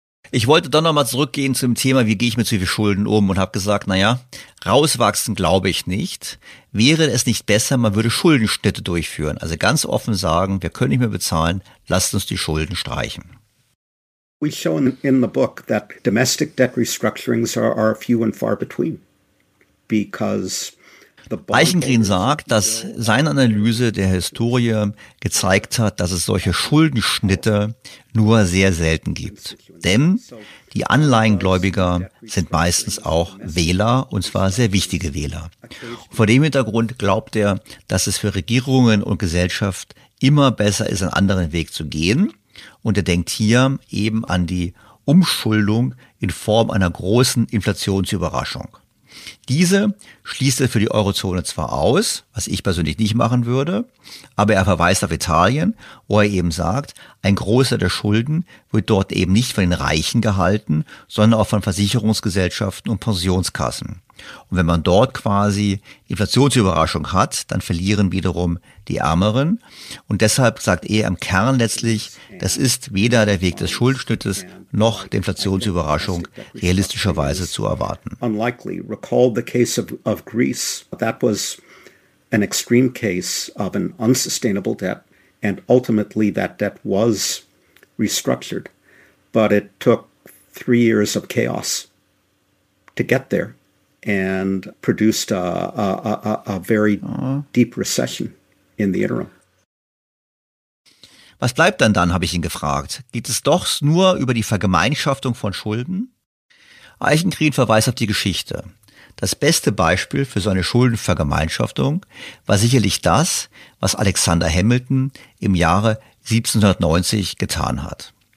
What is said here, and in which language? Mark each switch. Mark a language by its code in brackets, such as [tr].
[de] Ich wollte dann nochmal zurückgehen zum Thema, wie gehe ich mit so viel Schulden um, und habe gesagt, naja, rauswachsen glaube ich nicht. Wäre es nicht besser, man würde Schuldenschnitte durchführen? Also ganz offen sagen, wir können nicht mehr bezahlen, lasst uns die Schulden streichen. [en] We show in the book that domestic debt restructurings are few and far between, because [de] Eichengreen sagt, dass seine Analyse der Historie gezeigt hat, dass es solche Schuldenschnitte nur sehr selten gibt. Denn die Anleihengläubiger sind meistens auch Wähler, und zwar sehr wichtige Wähler. Und vor dem Hintergrund glaubt er, dass es für Regierungen und Gesellschaft immer besser ist, einen anderen Weg zu gehen. Und er denkt hier eben an die Umschuldung in Form einer großen Inflationsüberraschung. Diese schließt er für die Eurozone zwar aus, was ich persönlich nicht machen würde, aber er verweist auf Italien, wo er eben sagt, ein Großteil der Schulden wird dort eben nicht von den Reichen gehalten, sondern auch von Versicherungsgesellschaften und Pensionskassen. Und wenn man dort quasi Inflationsüberraschung hat, dann verlieren wiederum die Ärmeren. Und deshalb sagt er im Kern letztlich, das ist weder der Weg des Schuldenschnittes noch der Inflationsüberraschung realistischerweise zu erwarten. [en] Unlikely. Recall the case of Greece. That was an extreme case of an unsustainable debt. And ultimately that debt was restructured. But it took 3 years of chaos to get there. And produced a very deep recession in the interim. [de] Was bleibt denn dann, habe ich ihn gefragt. Geht es doch nur über die Vergemeinschaftung von Schulden? Eichengreen verweist auf die Geschichte. Das beste Beispiel für so eine Schuldenvergemeinschaftung war sicherlich das, was Alexander Hamilton im Jahre 1790 getan hat.